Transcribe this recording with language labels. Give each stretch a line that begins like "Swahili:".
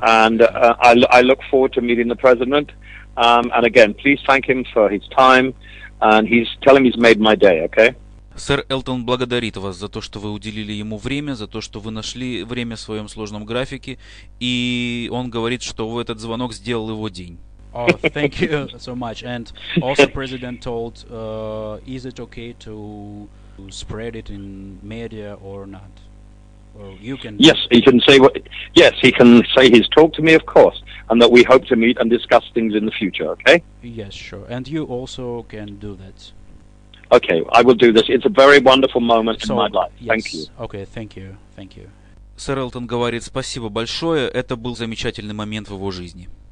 English: And I look forward to meeting the president. And again, please thank him for his time. And he's telling me he's made my day, okay?
Russian: Сэр Элтон благодарит вас за то, что вы уделили ему время, за то, что вы нашли время в своем сложном графике. И он говорит, что этот звонок сделал его день.
English: Oh, thank you so much. And also president told, is it okay to spread it in media or not? Or you can... Yes, he can say what... Yes, he can say his talk to me, of course, and that we hope to meet and discuss things in the future, okay? Yes, sure. And you also can do that. Okay, I will do this. It's a very wonderful moment in my life. Yes. Thank you. Okay, thank you. Thank you.
Russian: Сэр Элтон говорит спасибо большое. Это был замечательный момент в его жизни.